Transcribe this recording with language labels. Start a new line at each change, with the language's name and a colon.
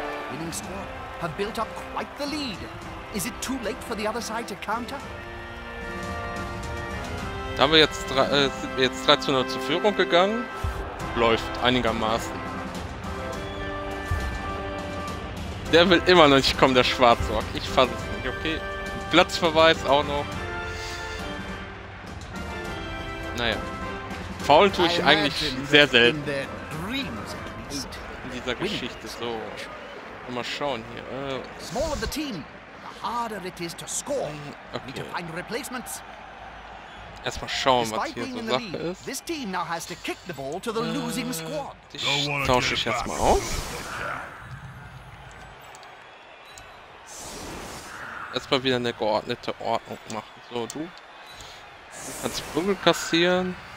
English: Winning score have built up quite the lead. Is it too late for the other side to counter?
German: Da haben wir jetzt 3:0 zur Führung gegangen. Läuft einigermaßen. Der will immer noch nicht kommen, der Schwarzorg. Ich fass es nicht, okay. Platzverweis auch noch. Naja. Faulen tue ich eigentlich sehr selten. In dieser Geschichte, so. Mal schauen hier.
English: Smaller the team, the harder it is to score. Need to find replacements.
German: Erstmal schauen, was hier so Sache ist.
English: This team now has to kick the ball to the losing squad.
German: Tausche ich erstmal aus. Erstmal wieder eine geordnete Ordnung machen. So, du. Du kannst Prügel kassieren.